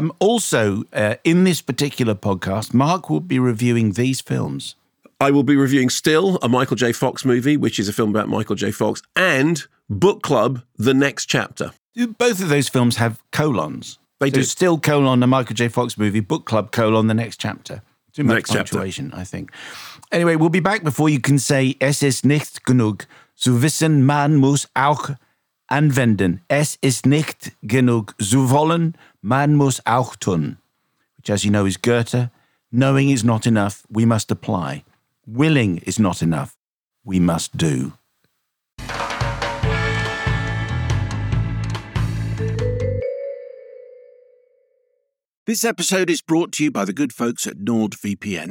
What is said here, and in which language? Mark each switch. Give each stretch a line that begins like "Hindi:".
English: Also, in this particular podcast, Mark will be reviewing these films. I will be reviewing Still, a Michael J. Fox movie, which is a film about Michael J. Fox, and Book Club, The Next Chapter. Both of those films have colons. They do. Still, colon, a Michael J. Fox movie, Book Club, colon, The Next Chapter. Too much punctuation, I think.
German: Anyway, we'll be back before you can say, Es ist nicht genug zu wissen, man muss auch anwenden. Es ist nicht genug zu wollen, man muss auch tun.
English: Which, as you know, is Goethe. Knowing is not enough, we must apply. Willing is not enough, we must do. This episode is brought to you by the good folks at NordVPN.